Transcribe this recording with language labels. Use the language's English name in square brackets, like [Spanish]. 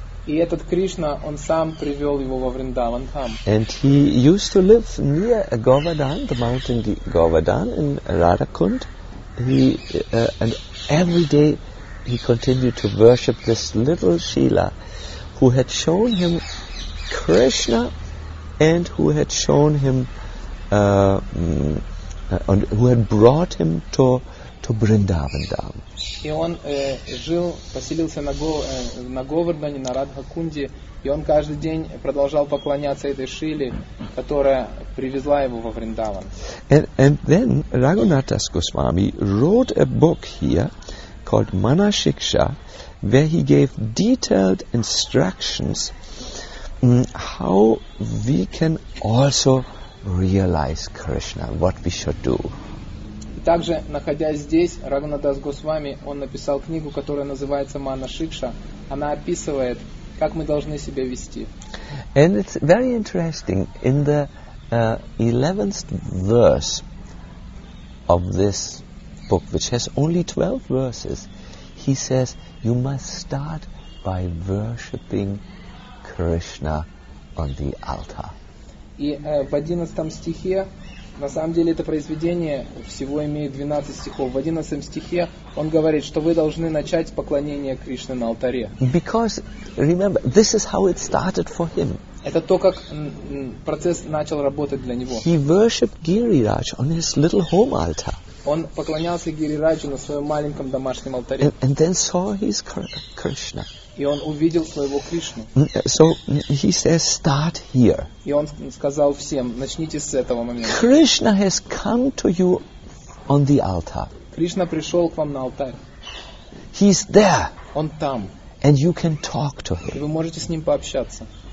[Russian] И этот Кришна, он сам привел его во Вриндаван Дхам. [English] And he used to live near Govardhan, the mountain Govardhan in Radhakund. And every day he continued to worship this little Shila who had shown him Krishna and who had shown him and who had brought him to Vrindavan Dham. [Russian] И он жил, поселился на Говардане, на Радхакунде, и он каждый день продолжал поклоняться этой Шиле, которая привезла его во Вриндаван. [English] And then Raghunath Das Goswami wrote a book here called Mana Shiksha, where he gave detailed instructions how we can also realize Krishna, what we should do. [Russian] Также, находясь здесь, Рагхунатх Дас Госвами, он написал книгу, которая называется Мана Шикша. Она описывает, как мы должны себя вести. [English] And it's very interesting. In the 11th verse of this book, which has only 12 verses, he says, you must start by worshipping Krishna on the altar. [Russian] И в 11 стихе, на самом деле это произведение всего имеет 12 стихов. В 11 стихе он говорит, что вы должны начать поклонение Кришне на алтаре. [English] Because, remember, this is how it started for him. [Russian] Это то, как процесс начал работать для него. [English] He worshipped Girirāj on his little home altar. [Russian] Он поклонялся Гирираджу на своем маленьком домашнем алтаре. [English] And then saw his Krishna. [Russian] И он увидел своего Кришну. [English] So he says, start here. [Russian] И он сказал всем, начните с этого момента. [English] Krishna has come to you on the altar. [Russian] Кришна пришел к вам на алтарь. [English] He's there. [Russian] Он там. [English] And you can talk to him. [Russian] И вы можете с ним пообщаться.